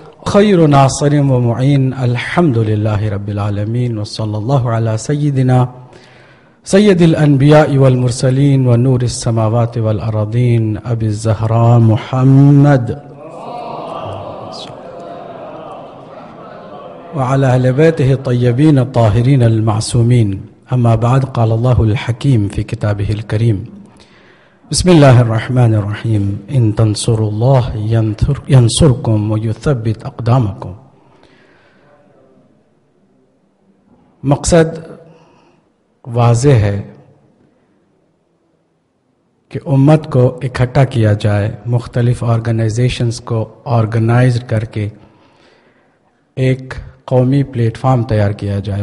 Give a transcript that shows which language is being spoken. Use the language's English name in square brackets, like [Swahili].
[Arabic] خیر ناصر و معین الحمد للہ رب العالمین وصلی اللہ علی سیدنا سید الانبیاء والمرسلین و نور السماوات والارضین ابی الزہرا محمد وعلى اہل بیتہ الطیبین الطاہرین المعصومین. اما بعد قال الله الحكيم في كتابه الكريم بسم الله الرحمن الرحيم ان تنصروا الله ينصركم ويثبت اقدامكم. [Urdu] مقصد واضح ہے کہ امت کو اکٹھا کیا جائے, مختلف آرگنائزیشنز کو آرگنائز کر کے ایک قومی پلیٹ فارم تیار کیا جائے.